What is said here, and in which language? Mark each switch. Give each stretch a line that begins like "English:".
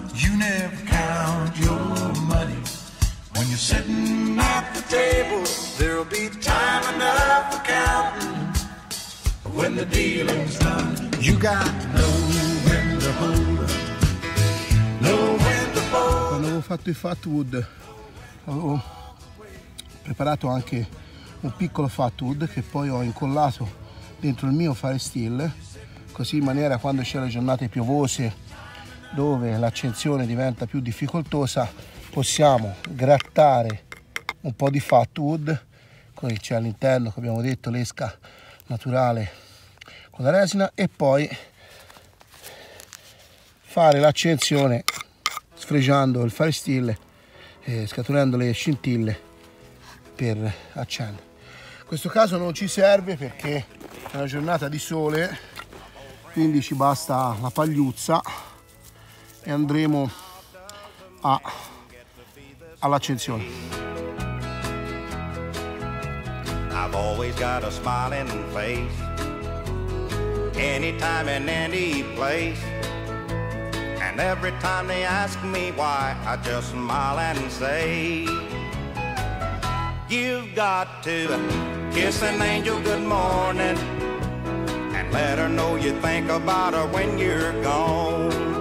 English: You never count your money when you're sitting at the table. There'll be time enough for counting when the dealing's done. You got no when to hold up, no when to fold.
Italian: Quando avevo fatto i Fatwood, avevo preparato anche un piccolo Fatwood che poi ho incollato dentro il mio Fire Steel, così in maniera quando c'è le giornate piovose dove l'accensione diventa più difficoltosa, possiamo grattare un po' di Fatwood, con il c'è all'interno, come abbiamo detto, l'esca naturale con la resina, e poi fare l'accensione sfregiando il Fire Steel, scaturendo le scintille per accendere. In questo caso non ci serve perché è una giornata di sole, quindi ci basta la pagliuzza e andremo all'accensione.
English: I've always got a smiling face, anytime and any place, and every time they ask me why, I just smile and say, you've got to kiss an angel good morning and let her know you think about her when you're gone.